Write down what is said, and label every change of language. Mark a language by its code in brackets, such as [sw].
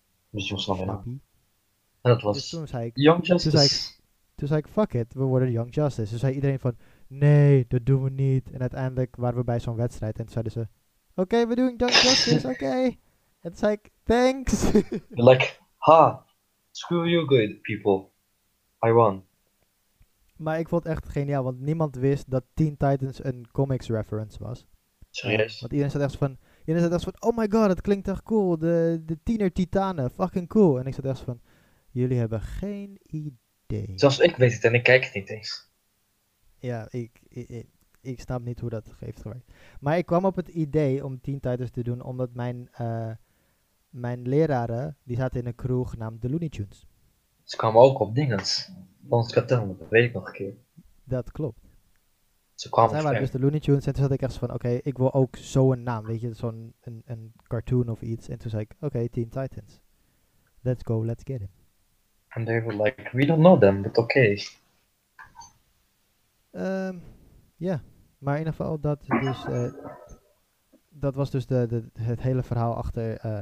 [nl] Dus je was wel jong. Snappie? En dat Dus was Young Justice. toen zei ik, [en] fuck it, [nl] we worden Young Justice. Toen zei iedereen van, nee, dat doen we niet. En uiteindelijk waren we bij zo'n wedstrijd en toen zeiden ze, oké, we doen Young Justice, oké. En toen zei ik, thanks. [en] Like, ha, screw you good people. I won. [nl] Maar ik vond het echt geniaal, want niemand wist dat Teen Titans een comics reference was. Serieus? Want iedereen zat echt van, oh my god, dat klinkt echt cool. De tiener titanen, fucking cool. En ik zat echt van, jullie hebben geen idee. Zelfs ik weet het en ik kijk het niet eens. Ja, ik snap niet hoe dat heeft gewerkt. Maar ik kwam op het idee om Teen Titans te doen, omdat mijn leraren, die zaten in een crew genaamd de Looney Tunes. Ze kwamen ook op dingens. Ons katoen, dat weet ik nog een keer. Dat klopt. Ze Zij waren dus kwamen de Looney Tunes en toen zat ik echt van, oké, ik wil ook zo'n naam, weet je, zo'n een cartoon of iets. En toen zei ik, oké, Teen Titans. [en] Let's go, let's get him. And they were like, we don't know them, but okay. [nl] Ja, maar in ieder geval dat was dus het hele verhaal achter